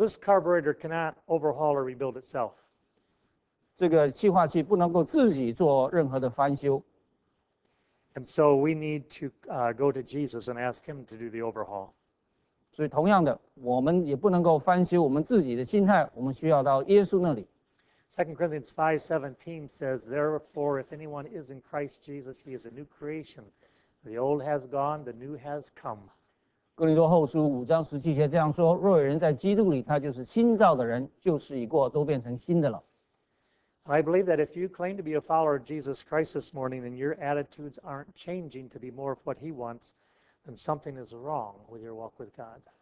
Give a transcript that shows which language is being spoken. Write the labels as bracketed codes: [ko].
[en] this carburetor cannot overhaul or rebuild itself. [zh] 这个气化器不能够自己做任何的翻修。 [en] And so we need to go to Jesus and ask him to do the overhaul. [zh] 所以同样的，我们也不能够翻修我们自己的心态，我们需要到耶稣那里。 [en] 2 Corinthians 5:17 says, therefore, if anyone is in Christ Jesus, he is a new creation. The old has gone, the new has come. [zh] 哥林多后书5章17节这样说，若有人在基督里，他就是新造的人，旧事已过，都变成新的了。 [en] I believe that if you claim to be a follower of Jesus Christ this morning and your attitudes aren't changing to be more of what he wants, then something is wrong with your walk with God.